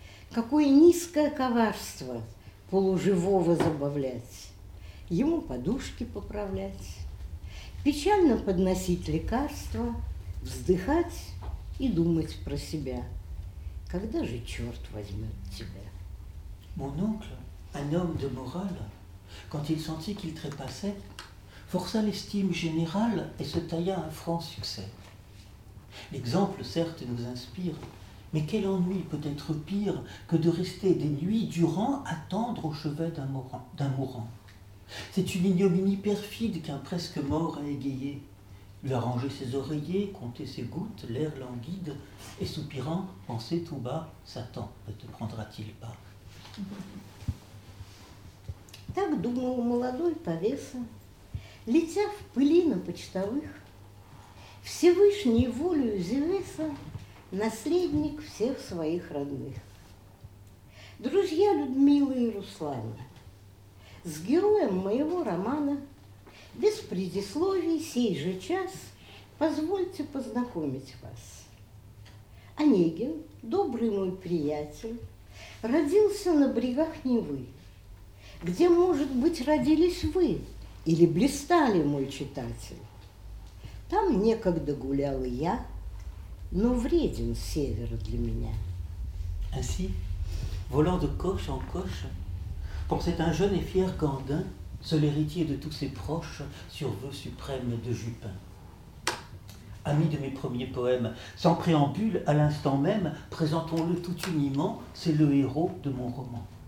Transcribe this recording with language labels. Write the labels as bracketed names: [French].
[Russian] Какое низкое коварство полуживого забавлять, ему подушки поправлять, печально подносить лекарства, вздыхать и думать про себя. Когда же черт возьмет тебя? [French] Mon oncle, un homme de morale, quand il sentit qu'il trépassait, força l'estime générale et se tailla un franc succès. L'exemple, certes, nous inspire, mais quel ennui peut être pire que de rester des nuits durant attendre au chevet d'un mourant. C'est une ignominie perfide qu'un presque mort a égayée. Il a rangé ses oreillers, compté ses gouttes, l'air languide, et soupirant, pensait tout bas, Satan, ne te prendra-t-il pas? [Russian] Так думал молодой повеса, летя в пыли на почтовых. Всевышний волею Зевеса наследник всех своих родных. Друзья Людмилы и Руслана, с героем моего романа, без предисловий сей же час позвольте познакомить вас. Онегин, добрый мой приятель, родился на брегах Невы, где, может быть, родились вы или блистали, мой читатель. Там некогда гулял и я, но вреден север для меня. [French] Ainsi, volant de coche en coche, pensait un jeune et fier gandin, seul héritier de tous ses proches, sur vœu suprême de Jupin. Ami de mes premiers poèmes, sans préambule, à l'instant même, présentons-le tout uniment, c'est le héros de mon roman.